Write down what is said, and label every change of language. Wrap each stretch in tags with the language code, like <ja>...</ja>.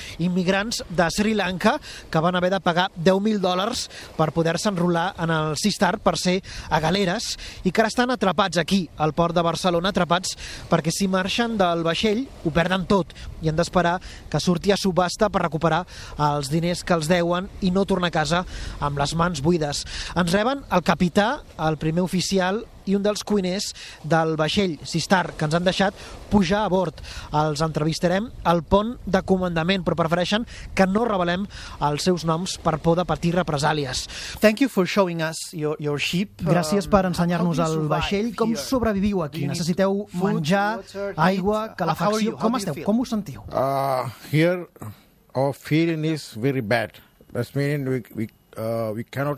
<ca>immigrants de Sri Lanka, que van haver de pagar $10,000 per poder-se enrolar en el Sea Star per ser a galeres, i que ara estan atrapats aquí, al port de Barcelona, atrapats perquè si marxen del vaixell ho perden tot i han d'esperar que surti a subhasta per recuperar els diners que els deuen i no tornar a casa amb les mans buides. Ens reben el capità, el primer oficial i un dels cuiners del vaixell Sea Star, que ens han deixat pujar a bord. Els entrevistarem al pont de comandament, però prefereixen que no revelem els seus noms per por de patir represàlies.</ca> <en>Thank you for showing us your ship.</en> <ca>Gràcies per ensenyar-nos el vaixell. Com sobreviviu aquí? Necessiteu menjar, aigua, calefacció? Com esteu? Com us sentiu?</ca> <en>Here our feeling is very bad. That's meaning we cannot</en>